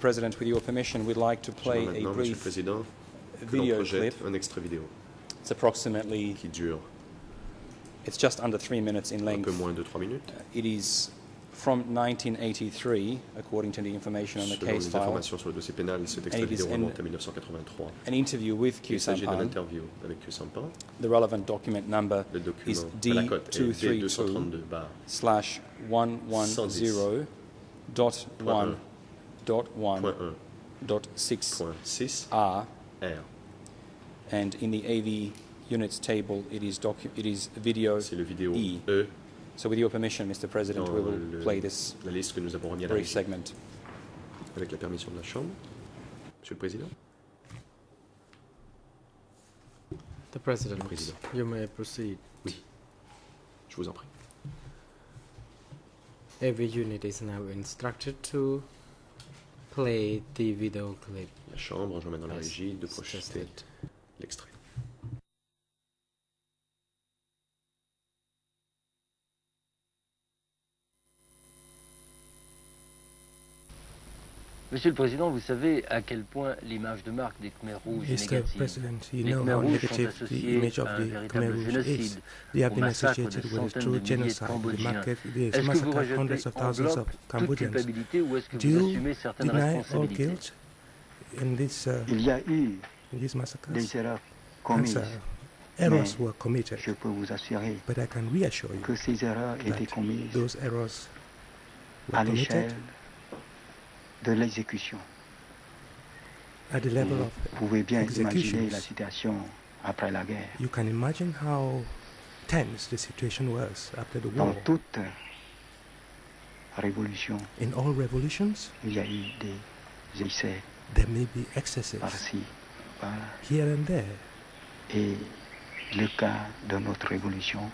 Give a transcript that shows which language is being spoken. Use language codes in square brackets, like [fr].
[en] President, with your permission, we'd like to play a brief video clip. It's approximately, it's just under 3 minutes in length. [fr] Un peu moins de 3 minutes. [en] It is from 1983, according to the information on the case file. [fr] Selon les informations sur le dossier pénal, cet extrait vidéo remonte à 1983. [en] An interview with Q Sampan. [fr] Il s'agit d'un interview avec Q Sampan. [en] The relevant document number is D232/110.1.6R. And in the AV units table, it is video E. So with your permission, Mr. President, we will play this brief segment. [fr] Avec la permission de la Chambre, Monsieur le Président. [en] The President, President, you may proceed. [fr] Oui, je vous en prie. [en] Every unit is now instructed to play the video clip. [fr] La Chambre, je mets dans la régie de projeter l'extrait. Monsieur le Président, vous savez à quel point l'image de marque des Khmer Rouges est négative. [en] Mr. President, you know how negative the image of the Khmer Rouge is. They have been associated with a true genocide. They massacred hundreds of thousands of Cambodians. Do you deny all guilt in these massacres? And, sir, errors were committed. But I can reassure you that those errors were committed [fr] de l'exécution. [en] At the level of [fr] vous pouvez bien imaginer la situation après la guerre. [en] You can imagine how tense the situation was after the war. [fr] Dans toute révolution, [en] in all revolutions, [fr] il y a eu des excès. [en] There may be excesses. [fr] Par-ci, par-là. [en] Here and there. [fr] Et le cas de notre révolution,